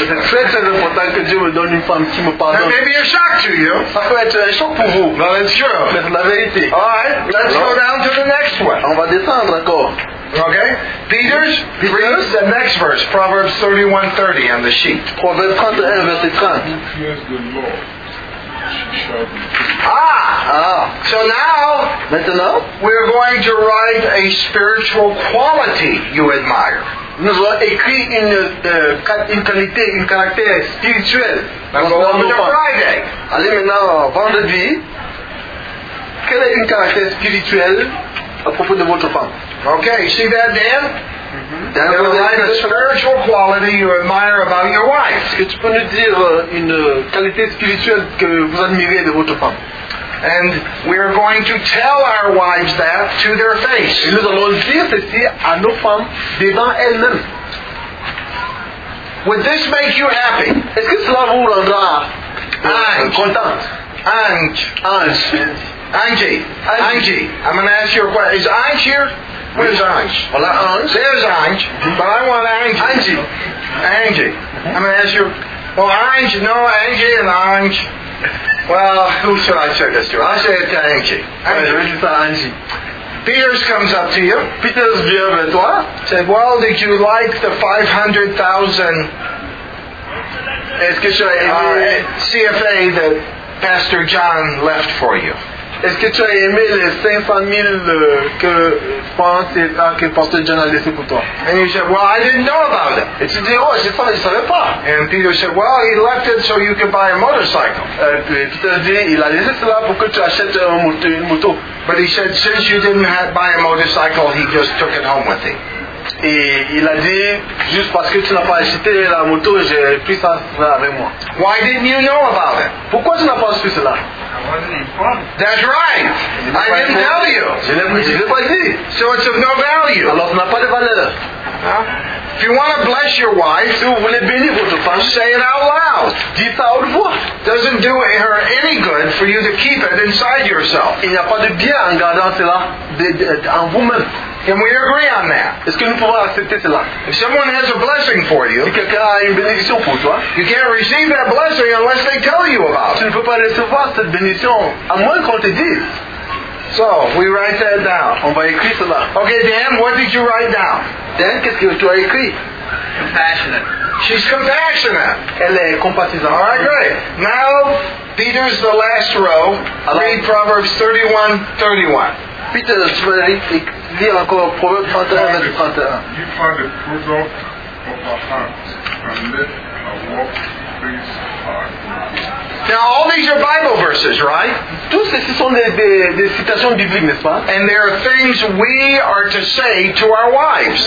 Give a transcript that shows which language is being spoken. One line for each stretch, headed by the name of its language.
French: C'est très important que Dieu me donne une femme qui me pardonne.
English: That may be a shock to you.
French: Ça peut être un choc pour vous.
English: Well, it's true.
French: Mais c'est la vérité.
English: All right, let's go down to the next one.
French: On va descendre encore.
English: Okay, Peter's reads the next verse, Proverbs 31:30 on the sheet. Proverbs 31, verse 30. Who fears the Lord, she shall be. Ah! So now,
French: maintenant,
English: we're going to write a spiritual quality you admire.
French: Nous allons écrire une qualité, un caractère spirituel. Allez maintenant, vendredi, quel est un caractère spirituel à propos de votre femme?
English: Okay, see that, Dan? Dan, mm-hmm. What kind of spiritual quality you admire about your wife?
French: Est-ce que tu peux nous dire une qualité spirituelle que vous admirez de votre femme?
English: And we are going to tell our wives that to their face.
French: Et nous allons dire ceci à nos femmes devant elles-mêmes.
English: Would this make you happy?
French: Est-ce que cela vous rendra content?
English: Angie, I'm going to ask you a question. Is Angie here? Where's Ange? Well, Ange. There's Ange. Mm-hmm. But I want Angie. Mm-hmm. I'm going to ask you. Well, Ange. No, Angie and Ange. Well, who should I say this to? I'll say it to Angie. Angie. Peter's comes up to you.
French: Peter's bien avec toi.
English: Said, well, did you like the 500,000 CFA that Pastor John left for you?
French: Est-ce que tu as aimé les 500,000 que Francis a que Pastor John a laissé pour toi?
English: And you said, well, I didn't know about it.
French: Et tu dis, oh, c'est ça, je savais pas.
English: And Peter said, well, he left it so you could buy a motorcycle.
French: Peter dit, il a laissé cela pour que tu achètes une moto.
English: But he said, since you didn't buy a motorcycle, he just took it home with him.
French: Et il a dit, juste parce que tu n'as pas acheté la moto, j'ai pris ça avec moi.
English: Why didn't you know about it?
French: Pourquoi tu n'as pas su cela?
English: That's right. I didn't tell you.
French: Je ne l'ai pas dit.
English: So it's of no value.
French: Alors, ça n'a pas de valeur. Huh?
English: If you want to bless your wife,
French: si vous voulez bénir votre femme,
English: say it out loud.
French: Dites ça haute voix.
English: Doesn't do her any good for you to keep it inside yourself.
French: Il n'y a pas de bien en gardant cela en vous-même.
English: Can we agree on that?
French: Est-ce que nous pouvons accepter cela?
English: If someone has a blessing for you,
French: si quelqu'un a une bénédiction pour toi,
English: you can't receive that blessing unless they tell you about it.
French: Tu ne peux pas recevoir cette bénédiction à moins qu'on te dise.
English: So, we write that down.
French: On va écrire cela.
English: Okay, Dan, what did you write down?
French: Dan, qu'est-ce que tu as écrit?
English: Compassionate. She's compassionate.
French: Elle est compatissante.
English: All right, great. Now, Peter's the last row.
French: Alors,
English: read Proverbs 31:31.
French: Peter, tu vas lire encore Proverbes 31, verset 31.
English: You find the product of her heart and let her walk face hard. Now, all these are Bible verses, right?
French: Tous ces sont des citations bibliques, n'est-ce pas?
English: And there are things we are to say to our wives.